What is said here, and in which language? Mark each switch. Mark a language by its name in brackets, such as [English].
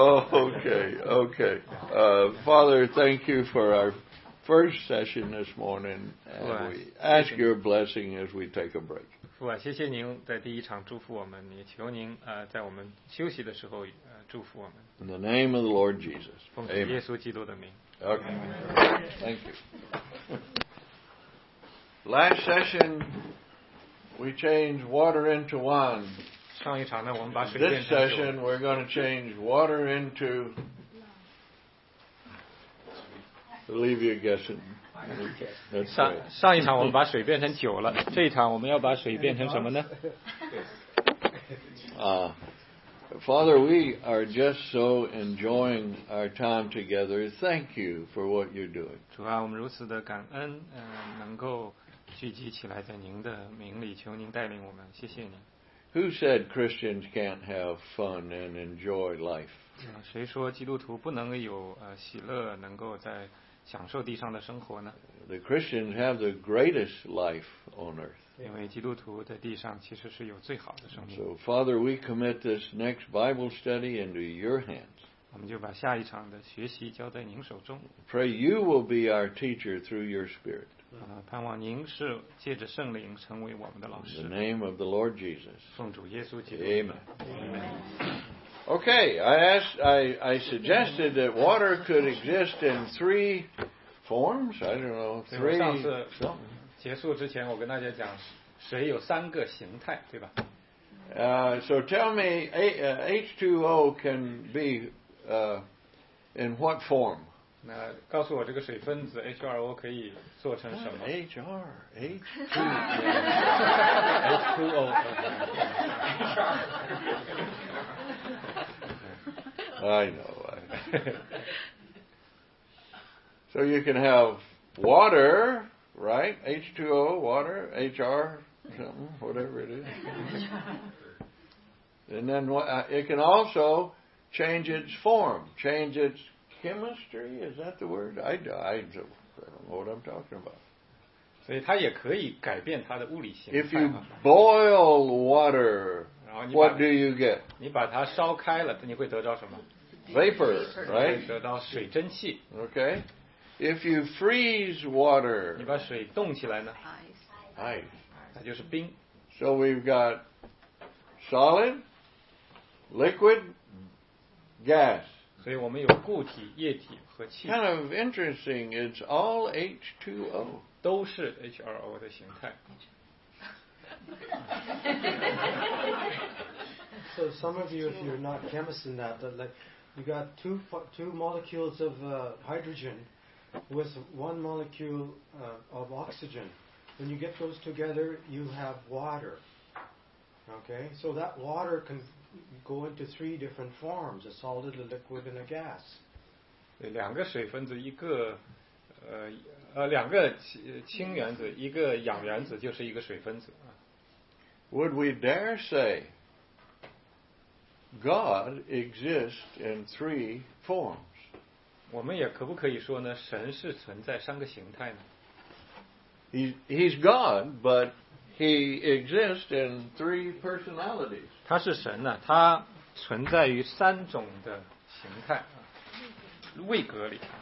[English] Father, thank you for our first session this morning, and we ask your blessing as we take a break. [Chinese] 父啊，谢谢您在第一场祝福我们，也求您在我们休息的时候祝福我们。 [English] In the name of the Lord Jesus. [Chinese] 奉耶稣基督的名。 [English] Okay. Thank you. Last session, we changed water into wine. [Chinese] 上一场呢，我们把水变成酒。 [English] This session, we're going to change water into. Leave you guessing. Right. [Chinese] 上一场我们把水变成酒了，这一场我们要把水变成什么呢？ [English] Father, we are just so enjoying our time together. Thank you for what you're doing. [Chinese] 主啊，我们如此的感恩，能够聚集起来在您的名里，求您带领我们，谢谢您。 [English] Who said Christians can't have fun and enjoy life? [Chinese] 谁说基督徒不能有喜乐，能够在享受地上的生活呢？ [English] The Christians have the greatest life on earth. [Chinese] 因为基督徒在地上其实是有最好的生命。 [English] So Father, we commit this next Bible study into your hands. [Chinese] 我们就把下一场的学习交在您手中。 [English] Pray you will be our teacher through your Spirit. [Chinese] 盼望您是借着圣灵成为我们的老师。 [English] In the name of the Lord Jesus. [Chinese] 奉主耶稣基督。 [English] Amen. Amen. Okay, I suggested that water could exist in three forms. I don't know, three. [Chinese] 上次结束之前，我跟大家讲，水有三个形态，对吧？ [English] So tell me, H2O can be in what form? [Chinese] 那告诉我这个水分子 H2O 可以做成什么 [English] ？H2O. I know. So you can have water, right? H2O, water, HR, something, whatever it is. And then it can also change its form, change its chemistry. Is that the word? I don't know what I'm talking about. [Chinese] 所以它也可以改变它的物理形态。 [English] If you boil water, what do you get? [Chinese] 你把它烧开了，你会得到什么？ [English] Vapor, right? [Chinese] 得到水蒸气。 [English] Okay. If you freeze water, [Chinese] 你把水冻起来呢？ [English] Ice. [Chinese] 那就是冰。 [English] So we've got solid, liquid, gas. [Chinese] 所以我们有固体、液体和气。 [English] Kind of interesting. It's all H2O. [Chinese] 都是 H2O 的形态。 [English] So some of you, if you're not chemists in that, but like,You got two molecules of hydrogen with one molecule of oxygen. When you get those together, you have water. Okay? So that water can go into three different forms, a solid, a liquid, and a gas. [Chinese] 两个氢原子，一个氧原子，就是一个水分子。 [English] Would we dare say God exists in three forms? [Chinese] 我们也可不可以说呢，神是存在三个形态呢？ [English] He's God, but he exists in three personalities. [Chinese] 他是神呢，他存在于三种的形态，位格里。